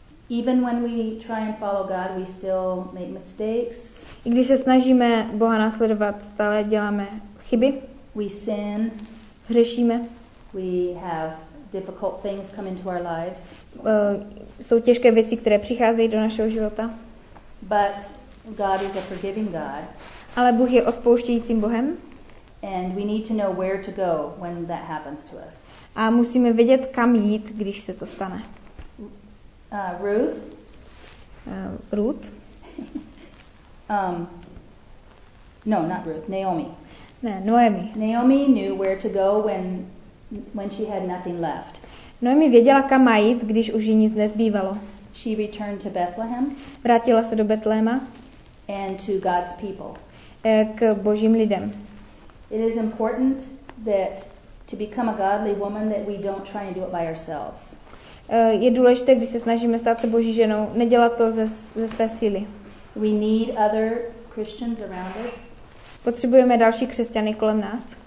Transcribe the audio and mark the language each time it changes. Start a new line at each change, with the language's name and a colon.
English: Even when we try and follow God, we still make mistakes.
Czech: I když se snažíme Boha následovat, stále děláme chyby.
English: We sin.
Czech: Hřešíme.
English: We have difficult things come into our lives.
Czech: Jsou těžké věci, které přicházejí do našeho života.
English: But God is a forgiving God.
Czech: Ale Bůh je odpouštějícím Bohem.
English: And we need to know where to go when that happens to us.
Czech: A musíme vědět, kam jít, když se to stane.
English: Ruth.
Czech: Ruth.
English: No, not Ruth. Naomi.
Czech: Ne, Noemi.
English: Naomi knew where to go when she had nothing left.
Czech: Noemi věděla, kam má jít, když už jí nic nezbývalo.
English: She returned to Bethlehem.
Czech: Vrátila se do Betléma.
English: And to God's people.
Czech: K Božím lidem.
English: It is important that to become a godly woman that we don't try and do it by ourselves.
Czech: Je důležité, když se snažíme stát se Boží ženou, nedělat to ze své síly.
English: We need other Christians around us.
Czech: Potřebujeme další křesťany kolem nás.